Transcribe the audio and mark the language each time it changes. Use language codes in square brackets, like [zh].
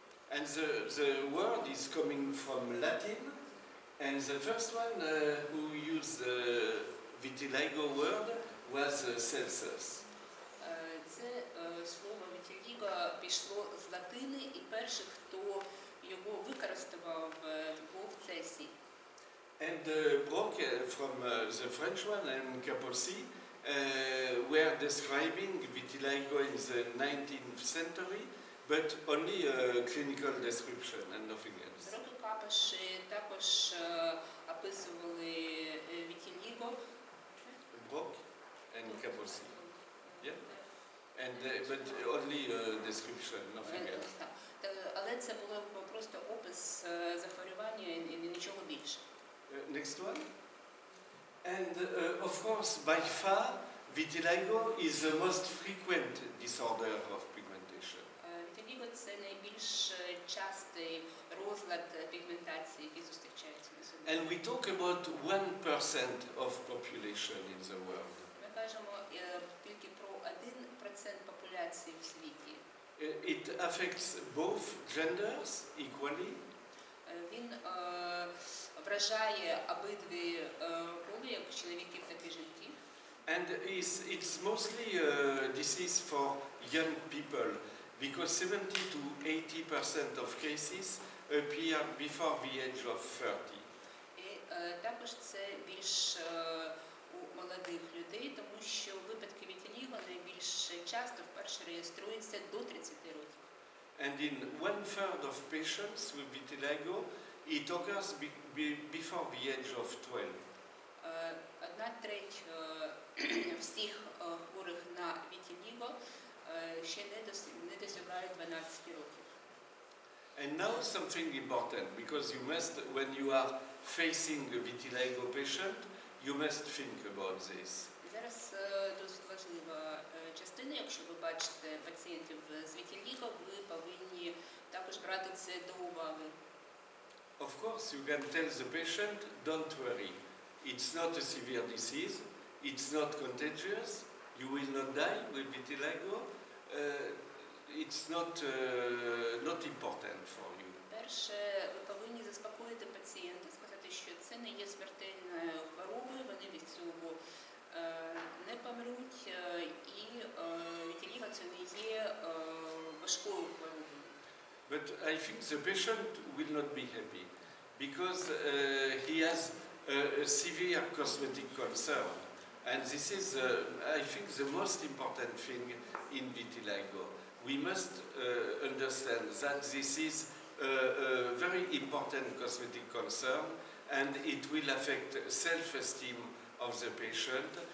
[en] And the word is coming from Latin, and the first one who used the vitiligo word was Celsus. [uk] Це слово vitiligo пішло з латини, і перших його використовував був Цесій. [en] And Brock from the French one and Capocci were describing vitiligo in the 19th century, but only a clinical description and nothing else. [uk] Брок і Капош також описували vitiligo. [en] Brock and Capocci. Yeah. And but only a description, nothing else. [uk] Але це було просто опис захворювання і нічого більше. [en] Next one. And of course, by far, vitiligo is the most frequent disorder of pigmentation. [uk] Vitiligo – це найбільш частий розлад пігментації, який зустрічається на собі. [en] And we talk about 1% of population in the world. [uk] Ми кажемо тільки про 1% популяції в світі. [en] It affects both genders equally. [uk] Він вражає обидві полі, як чоловіків, так і жінків. [en] And it's mostly a disease for young people, because 70-80% of cases appear before the age of 30. [uk] І також це більш у молодих людей, тому що випадки вітіліго найбільш часто вперше реєструються до 30 років. [en] And in 1/3 of patients with vitiligo, it occurs before the age of 12. [uk] Одна треть всіх хворих на вітіліго ще не досягає 12 років. [en] And now something important, because you must, when you are facing a vitiligo patient, you must think about this. [uk] Зараз досить важлива частина, якщо ви бачите пацієнтів з вітіліго, ви повинні також брати це до уваги. [en] Of course, you can tell the patient, don't worry. It's not a severe disease, it's not contagious, you will not die with vitiligo, it's not important for you. [uk] Перше, ви повинні заспокоїти пацієнта, сказати, сказати, що це не є смертельною хворобою, вони від цього не помруть, і вітиліго це не є важкою хворобою. [en] But I think the patient will not be happy because he has a severe cosmetic concern. And this is, I think, the most important thing in vitiligo. We must understand that this is a very important cosmetic concern, and it will affect self-esteem of the patient.